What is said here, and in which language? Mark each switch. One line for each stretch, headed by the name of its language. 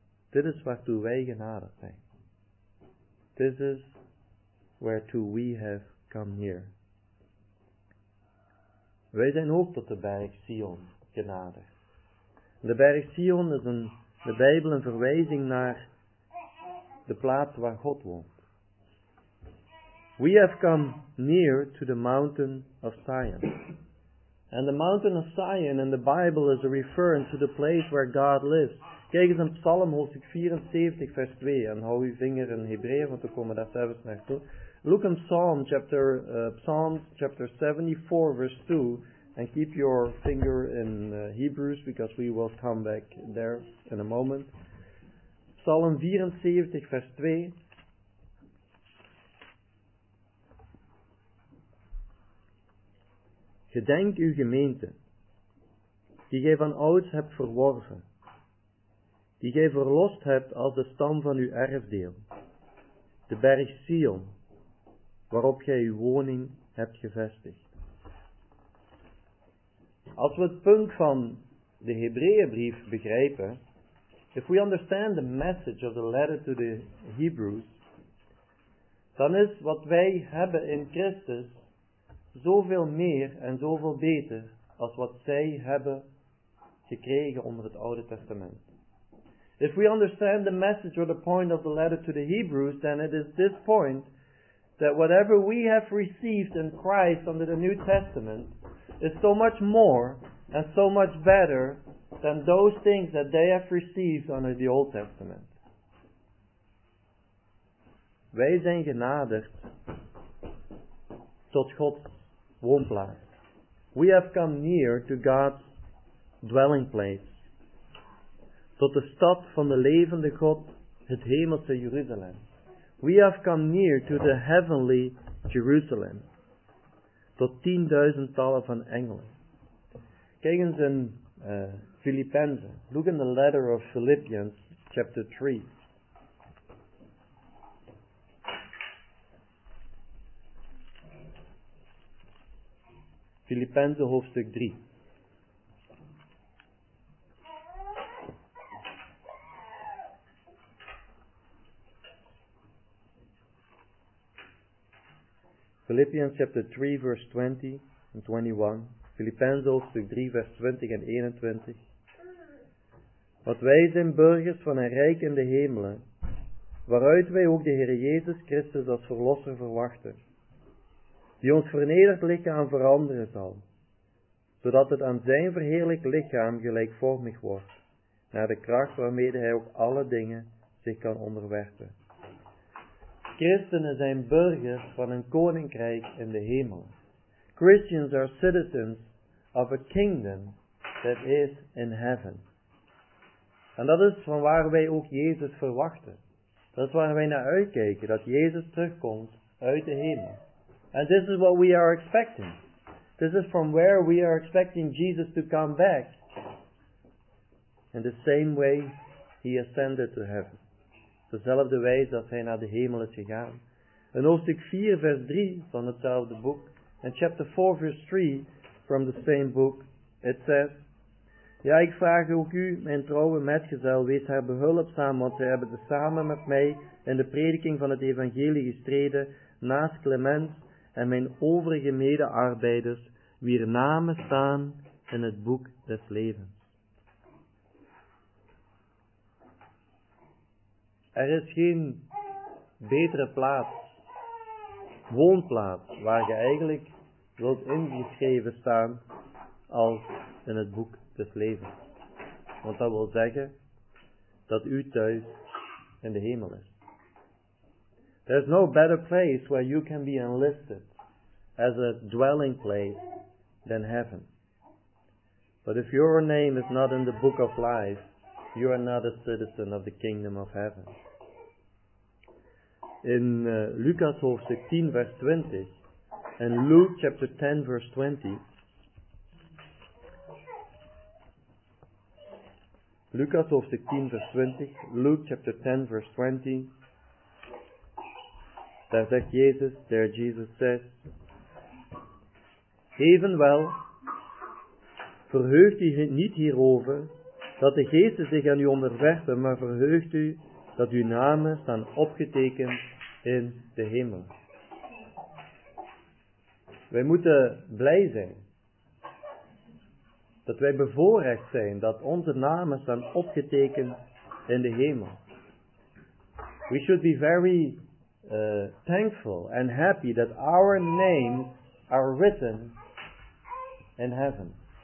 Dutch: Dit is waartoe wij genaderd zijn.
English: This is whereto we have come here.
Dutch: Wij zijn ook tot de berg Sion genaderd. De berg Sion is in de Bijbel een verwijzing naar de plaats waar God woont.
English: We have come near to the mountain of Zion. And the mountain of Zion in the Bible is a reference to the place where God lives.
Dutch: Kijk eens in Psalm hoofdstuk 74 vers 2. En hou uw vinger in Hebreeën, want we komen daar zelfs naartoe.
English: Look in Psalm chapter 74 verse 2. And keep your finger in Hebrews, because we will come back there in a moment.
Dutch: Psalm 74 vers 2. Gedenk uw gemeente, die gij van ouds hebt verworven, die gij verlost hebt als de stam van uw erfdeel, de berg Sion, waarop gij uw woning hebt gevestigd. Als we het punt van de Hebreeënbrief begrijpen,
English: if we understand the message of the letter to the Hebrews,
Dutch: dan is wat wij hebben in Christus zoveel meer en zoveel beter als wat zij hebben gekregen onder het Oude Testament.
English: If we understand the message or the point of the letter to the Hebrews, then it is this point that whatever we have received in Christ under the New Testament is so much more and so much better than those things that they have received under the Old Testament.
Dutch: Wij zijn genaderd tot Gods woonplaats.
English: We have come near to God's dwelling place.
Dutch: Tot de stad van de levende God, het hemelse Jeruzalem.
English: We have come near to the heavenly Jerusalem.
Dutch: Tot 10.000-tallen van engelen. Kijk eens in Filippenzen.
English: Look in the letter of Philippians, chapter 3.
Dutch: Filippenzen hoofdstuk 3.
English: Philippians chapter 3 verse 20 and 21.
Dutch: Filippenzen hoofdstuk 3 vers 20 en 21. Want wij zijn burgers van een rijk in de hemelen, waaruit wij ook de Heer Jezus Christus als verlosser verwachten, die ons vernederd lichaam veranderen zal, zodat het aan zijn verheerlijk lichaam gelijkvormig wordt, naar de kracht waarmee hij ook alle dingen zich kan onderwerpen. Christenen zijn burgers van een koninkrijk in de hemel.
English: Christians are citizens of a kingdom that is in heaven.
Dutch: En dat is van waar wij ook Jezus verwachten. Dat is waar wij naar uitkijken, dat Jezus terugkomt uit de hemel.
English: And this is what we are expecting. This is from where we are expecting Jesus to come back in the same way he ascended to heaven.
Dutch: Dezelfde wijze dat hij naar de hemel is gegaan. In hoofdstuk 4 vers 3 van hetzelfde boek, en
English: chapter 4 vers 3 from the same book, it says,
Dutch: ja, ik vraag ook u, mijn trouwe metgezel, wees haar behulpzaam, want zij hebben samen met mij in de prediking van het evangelie gestreden, naast Clemens en mijn overige medearbeiders, wier namen staan in het boek des levens. Er is geen betere plaats, woonplaats, waar je eigenlijk wilt ingeschreven staan, als in het boek des levens. Want dat wil zeggen, dat uw thuis in de hemel is.
English: There's no better place where you can be enlisted as a dwelling place than heaven. But if your name is not in the book of life, you are not a citizen of the kingdom of heaven.
Dutch: In Lucas hoofdstuk 10 vers 20 en
English: Luke chapter 10 vers 20.
Dutch: Lucas hoofdstuk 10 vers 20.
English: Luke chapter 10 vers 20.
Dutch: Daar zegt Jezus, daar Jezus zegt: evenwel, verheugt u niet hierover dat de geesten zich aan u onderwerpen, maar verheugt u dat uw namen staan opgetekend in de hemel. Wij moeten blij zijn dat wij bevoorrecht zijn dat onze namen staan opgetekend in de hemel.
English: We should be very thankful and happy that our names are written in heaven.